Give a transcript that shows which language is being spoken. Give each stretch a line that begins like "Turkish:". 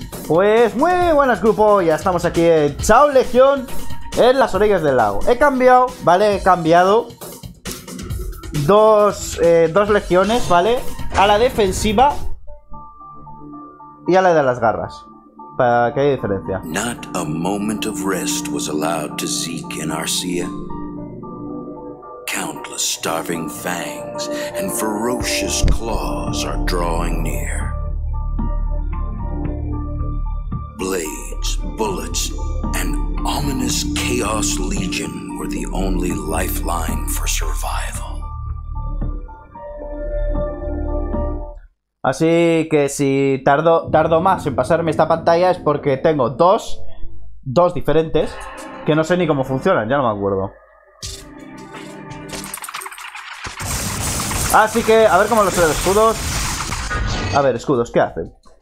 Spanish: Pues muy buenas, grupo, ya estamos aquí en Chao Legión, en las orillas del lago. He cambiado, ¿vale? He cambiado dos legiones, ¿vale? A la defensiva y a la de las garras. ¿Para qué hay diferencia?
English: Not a moment of rest was allowed to Zeke and Arcia. Countless starving fangs and ferocious claws are drawing near. Blades, bullets, an ominous chaos legion were the only lifeline for survival.
Spanish: Así que si tardo más en pasarme esta pantalla es porque tengo dos diferentes que no sé ni cómo funcionan, ya no me acuerdo. Así que, a ver cómo los tres escudos. A ver, escudos, ¿qué hacen?